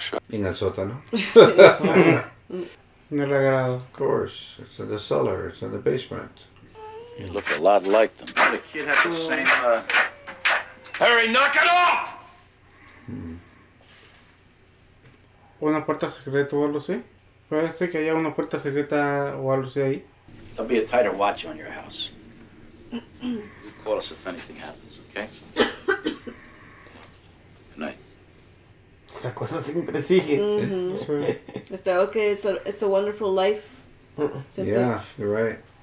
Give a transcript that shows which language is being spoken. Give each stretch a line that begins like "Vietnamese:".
Spanish: En el sótano. No le agrado.
English: Of course. It's in the cellar. It's in the basement. You look a lot like them. The kid had the same, Harry, knock it off! Una puerta secreta o algo así. Parece que haya una puerta secreta o algo así ahí. There'll be a tighter watch on your house. You call us if anything happens, okay?
Spanish: Esa cosa siempre sigue.
English: Mm-hmm.
Spanish: Está ok,
English: it's a wonderful life.
Spanish: Siempre
English: yeah, you're right.